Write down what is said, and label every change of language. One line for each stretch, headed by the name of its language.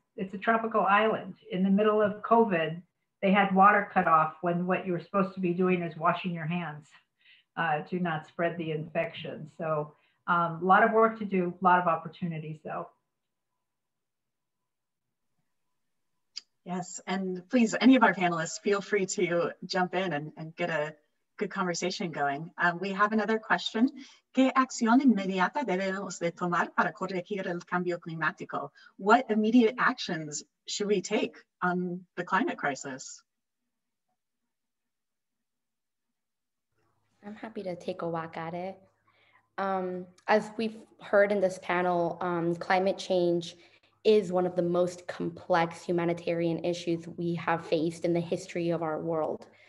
English: It's a tropical island. In the middle of COVID, they had water cut off when what you were supposed to be doing is washing your hands to not spread the infection. So a lot of work to do, a lot of opportunities though. Yes, and please, any of our panelists, feel free to jump in and get a good conversation going. We have another question.
Spanish: ¿Qué acción inmediata debemos de tomar para corregir el cambio climático?
English: What immediate actions should we take on the climate crisis? I'm happy to take a whack at it. As we've heard in this panel, climate change is one of the most complex humanitarian issues we have faced in the history of our world.